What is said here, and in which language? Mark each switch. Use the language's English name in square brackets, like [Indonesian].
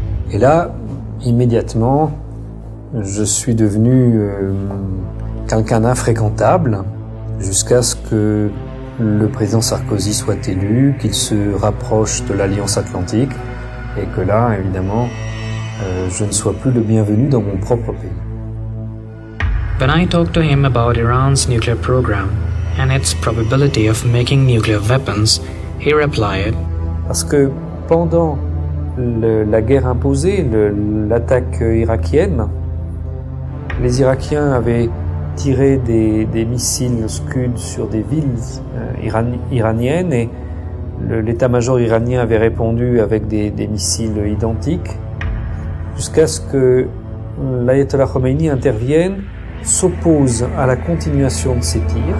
[French] Et là, immédiatement, je suis devenu quelqu'un d'infréquentable jusqu'à ce que le président Sarkozy soit élu, qu'il se rapproche de l'Alliance Atlantique et que là, évidemment, je ne sois plus le bienvenu dans mon propre pays. [English] When I talked to him about Iran's nuclear program and its probability of making nuclear weapons, he replied, [French] parce que pendant la guerre imposée, l'attaque irakienne, les Irakiens avaient tiré des missiles Scud sur des villes iraniennes et l'état-major iranien avait répondu avec des missiles identiques jusqu'à ce que l'ayatollah Khomeini intervienne, s'oppose à la continuation de ces tirs.